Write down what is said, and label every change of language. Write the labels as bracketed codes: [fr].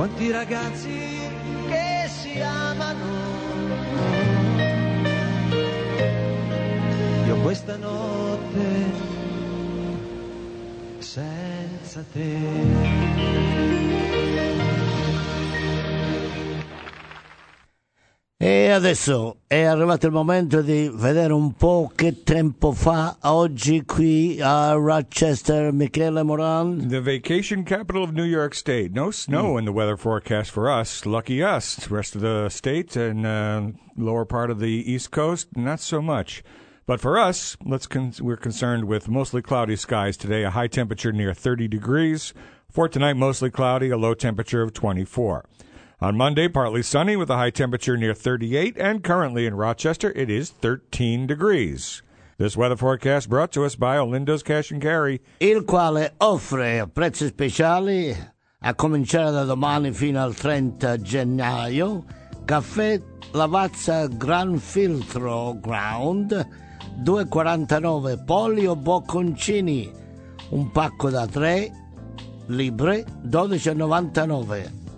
[it] Ragazzi che si amano, io questa notte senza te. E adesso è arrivato il momento di vedere un po' che tempo fa oggi qui a Rochester, Michele Moran. [en] The vacation capital of New York State. No snow in the weather forecast for us. Lucky us. The rest of the state and lower part of the East Coast, not so much. But for us, we're concerned with mostly cloudy skies today, a high temperature near 30 degrees. For tonight, mostly cloudy, a low temperature of 24. On Monday, partly sunny with a high temperature near 38, and currently in Rochester, it is 13 degrees. This weather forecast brought to us by Olindo's Cash and Carry. [it] Il quale offre prezzi speciali, a cominciare da domani fino al 30 gennaio, caffè Lavazza Gran Filtro Ground, 2,49 polio bocconcini, un pacco da 3, libre, 12,99.